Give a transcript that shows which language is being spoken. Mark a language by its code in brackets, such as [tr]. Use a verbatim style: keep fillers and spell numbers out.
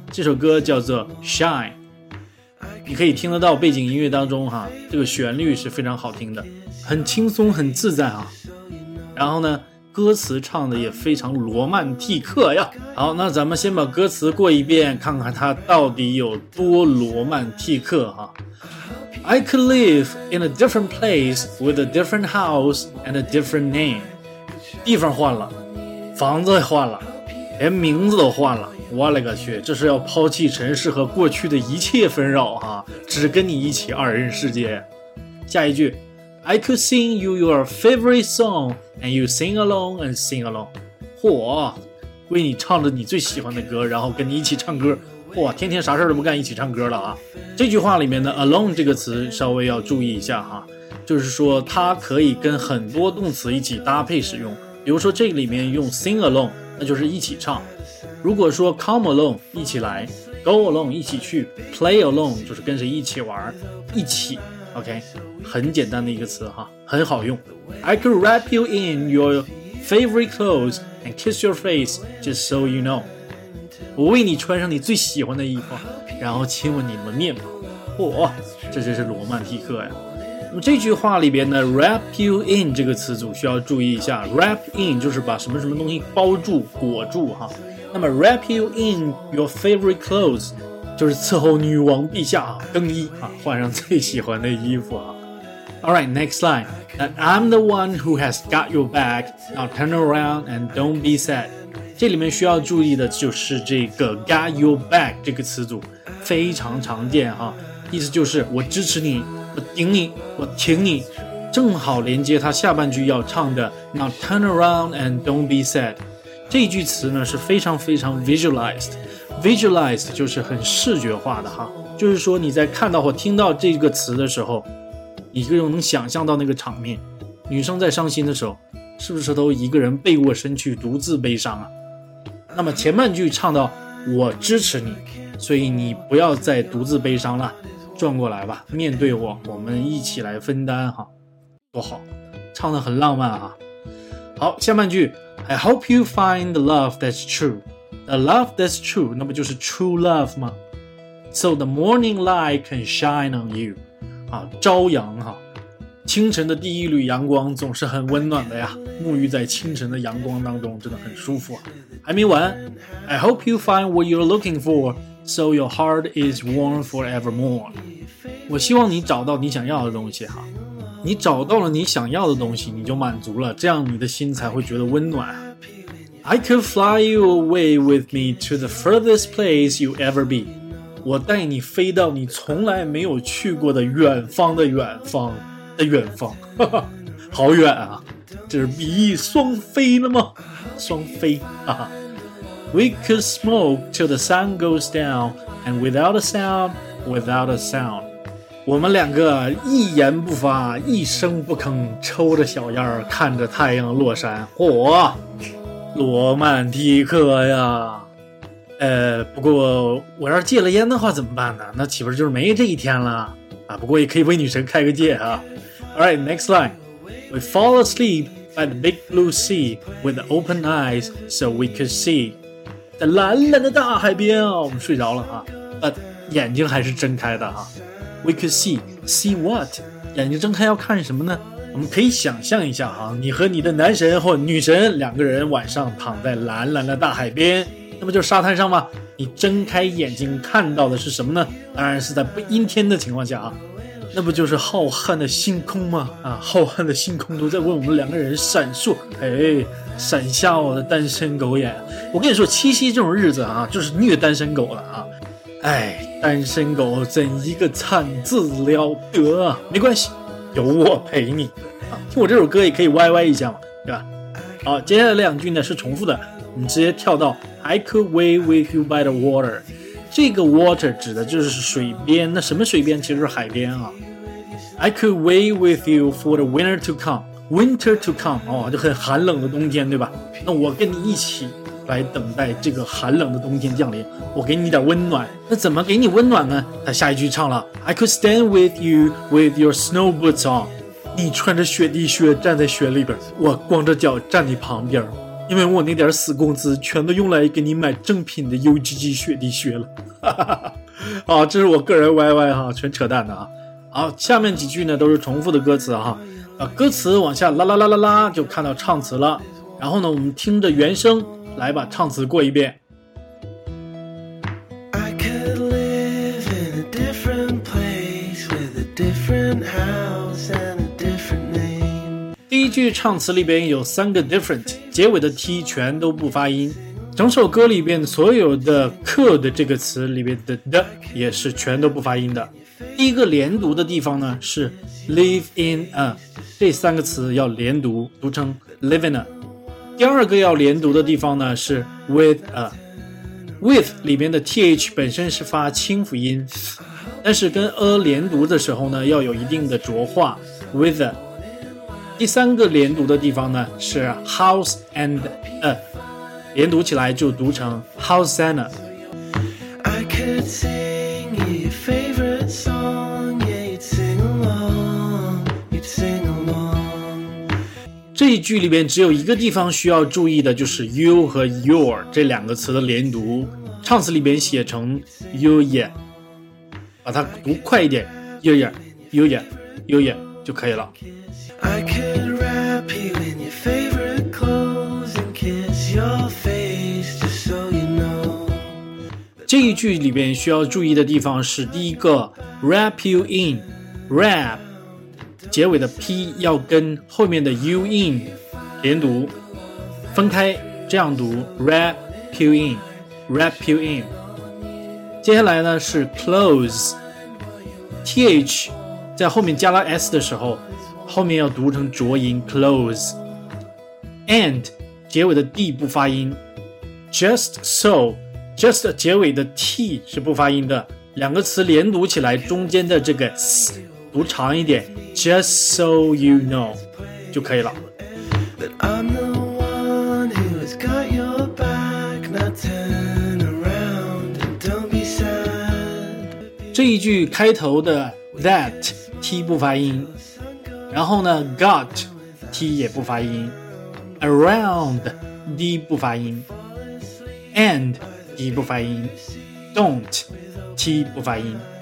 [zh] 这首歌叫做 Shine， 你可以听得到背景音乐当中哈，这个旋律是非常好听的。很轻松很自在啊，然后呢歌词唱的也非常罗曼蒂克呀。好，那咱们先把歌词过一遍，看看它到底有多罗曼蒂克啊。 [en] I could live in a different place with a different house and a different name. [zh] 地方换了，房子换了，连名字都换了，我勒个去，这是要抛弃尘世和过去的一切纷扰啊，只跟你一起二人世界。下一句 [en] I could sing you your favorite song and you sing along and sing along. [zh] 嚯，为你唱着你最喜欢的歌，然后跟你一起唱歌。嚯，天天啥事都不干，一起唱歌了啊！这句话里面的 along 这个词稍微要注意一下哈，就是说它可以跟很多动词一起搭配使用。比如说这里面用 sing along， 那就是一起唱。如果说 come along 一起来 ，go along 一起去 ，play along 就是跟谁一起玩，一起。 OK， 很简单的一个词哈，很好用。 [en] I could wrap you in your favorite clothes and kiss your face just so you know. [zh] 我为你穿上你最喜欢的衣服，然后亲吻你们面庞。哇，这真是罗曼蒂克呀！那么这句话里边呢 ，wrap you in 这个词组需要注意一下。 Wrap in 就是把什么什么东西包住、裹住哈。那么 wrap you in your favorite clothes。就是伺候女王陛下更衣啊，换上最喜欢的衣服啊。 [en] Alright, next line. That I'm the one who has got your back. Now turn around and don't be sad. [zh] 这里面需要注意的就是这个 got your back 这个词组非常常见哈、啊，意思就是我支持你，我顶你，我挺你，正好连接它下半句要唱的 [en] Now turn around and don't be sad。 [zh] 这句词呢是非常非常 visualized。Visualized 就是很视觉化的哈，就是说你在看到或听到这个词的时候，你就能想象到那个场面。女生在伤心的时候，是不是都一个人背过身去独自悲伤啊？那么前半句唱到我支持你，所以你不要再独自悲伤了，转过来吧，面对我，我们一起来分担哈，多好，唱得很浪漫哈。好，下半句 [en] I hope you find the love that's true. The love that's true, [zh] 那不就是 [en] true love [zh] 吗 [en] ？So the morning light can shine on you. [zh] 啊，朝阳哈、啊，清晨的第一缕阳光总是很温暖的呀。沐浴在清晨的阳光当中，真的很舒服啊。还没完 [en] ，I hope you find what you're looking for, so your heart is warm forevermore. [zh] 我希望你找到你想要的东西哈、啊。你找到了你想要的东西，你就满足了，这样你的心才会觉得温暖。 [en] I could fly you away with me to the furthest place you ever be. [zh] 我带你飞到你从来没有去过的远方的远方的远方，哈哈，好远啊！这是比翼双飞了吗？双飞啊 [en] ！We could smoke till the sun goes down, and without a sound, without a sound. [zh] 我们两个一言不发，一声不吭，抽着小烟儿，看着太阳落山，嚯！罗曼蒂克呀，呃，不过我要是戒了烟的话怎么办呢？那岂不是就是没这一天了啊？不过也可以为女神开个戒啊。 [en] All right, next line. We fall asleep by the big blue sea with open eyes, so we could see. [zh] 在蓝蓝的大海边啊，我们睡着了哈、啊，但眼睛还是睁开的哈、啊。 [en] We could see, see what? [zh] 眼睛睁开要看什么呢？我们可以想象一下哈、啊，你和你的男神或女神两个人晚上躺在蓝蓝的大海边，那么就是沙滩上吧。你睁开眼睛看到的是什么呢？当然是在不阴天的情况下啊，那不就是浩瀚的星空吗？啊，浩瀚的星空都在为我们两个人闪烁，哎，闪瞎我的单身狗眼。我跟你说，七夕这种日子啊，就是虐单身狗了啊。哎，单身狗怎一个惨字了得啊！没关系。有我陪你啊，听我这首歌也可以歪歪一下嘛，对吧？好，接下来两句呢是重复的，我们直接跳到 [en] I could wait with you by the water。 [zh] 这个 water 指的就是水边，那什么水边？其实是海边啊。 [en] I could wait with you for the winter to come。 Winter to come [zh] 哦，就很寒冷的冬天，对吧？那我跟你一起来等待这个寒冷的冬天降临，我给你点温暖。那怎么给你温暖呢？他下一句唱了 [en] I could stand with you with your snow boots on， [zh] 你穿着雪地靴站在雪里边，我光着脚站你旁边，因为我那点死工资全都用来给你买正品的 U G G 雪地靴了。哈哈哈哈啊，这是我个人 Y Y 哈，全扯淡的啊。好，下面几句呢都是重复的歌词哈。啊，歌词往下啦啦啦啦啦就看到唱词了，然后呢我们听着原声来把唱词过一遍。 [en] I could live in a different place with a different house and a different name。 [zh] 第一句唱词里边有三个 different， 结尾的 t 全都不发音，整首歌里边所有的 could 这个词里边的 的 也是全都不发音的。第一个连读的地方呢是 live in a， 这三个词要连读，读成 live in a。第二个要连读的地方呢是 with a， with 里面的 th 本身是发清辅音，但是跟 a 连读的时候呢要有一定的浊化， with a。第三个连读的地方呢是 house and a， 连读起来就读成 house and a。 [en] I could sing your favorite song, yeah, you'd sing along, you'd sing along。 [zh] 这一句里面只有一个地方需要注意的，就是 you 和 your 这两个词的连读，唱词里面写成 you yeah， 把它读快一点 you yeah you yeah you yeah 就可以了。 [en] I could wrap you in your favorite clothes and kiss your face just so you know。 [zh] 这一句里边需要注意的地方是第一个 wrap you in， wrap 结尾的 p 要跟后面的 you in 连读，分开这样读 wrap you in wrap you in。接下来呢是 close， th 在后面加了 s 的时候后面要读成浊音 close， and 结尾的 d 不发音， just so just 结尾的 t 是不发音的，两个词连读起来中间的这个 s 读长一点 [en] just so you know [zh] 就可以了。 [en] But I'm the one who has got your back, now turn around and don't be sad。 [zh] 这一句开头的 that t 不发音，然后呢 got t 也不发音， around d 不发音， and t 不发音， don't t 不发音。